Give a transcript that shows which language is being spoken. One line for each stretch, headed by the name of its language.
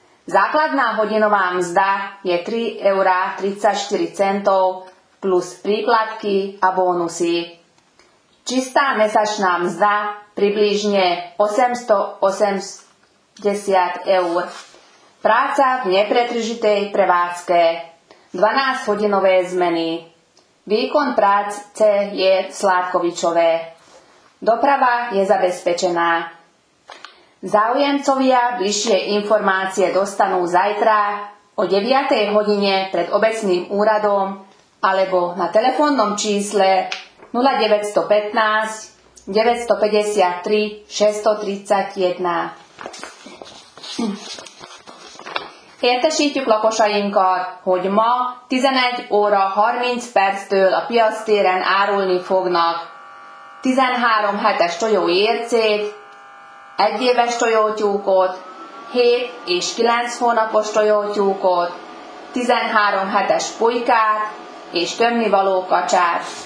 Slovak: Základná hodinová mzda je 3,34 € plus príplatky a bónusy. Čistá mesačná mzda približne 880 €. Práca v nepretržitej prevádzke. 12-hodinové zmeny. Výkon práce je Sládkovičové. Doprava je zabezpečená. Záujemcovia bližšie informácie dostanú zajtra o 9. hodine pred obecným úradom alebo na telefónnom čísle 0915 953 631.
Hungarian: Értesítjük lakosainkat, hogy ma 11:30-től a piactéren árulni fognak 13 hetes tojóércét, 1 éves tojótyúkot, 7 és 9 hónapos tojótyúkot, 13 hetes pulykát és tömnivaló kacsát.